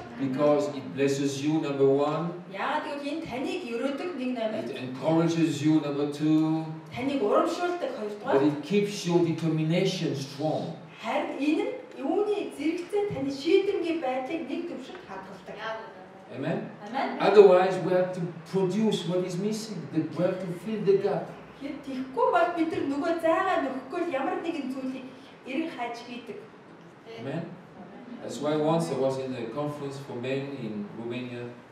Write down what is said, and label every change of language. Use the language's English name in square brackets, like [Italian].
[English] because it blesses you number 1 [Mongolian] яагаад гэвэл энэ таныг өрөдөг нэг номер [English] it encourages you number 2 [Mongolian] таныг урамшуулдаг хоёрдугаар [English] but it keeps your determination strong [Mongolian] харин энэ юуны зэрэгцээ таны шийдэмгийн байдлыг нэг төвшөнд хадгалдаг [English] Amen Amen otherwise we have to produce what is missing the work to fill the gap [Mongolian] хэд тийггүй бол бид нар нөгөө зайгаа нөхөхгүй л ямар нэгэн зүйлийг эрен хайж хийдэг [English] Amen That's why once I was in a conference for men in Romania.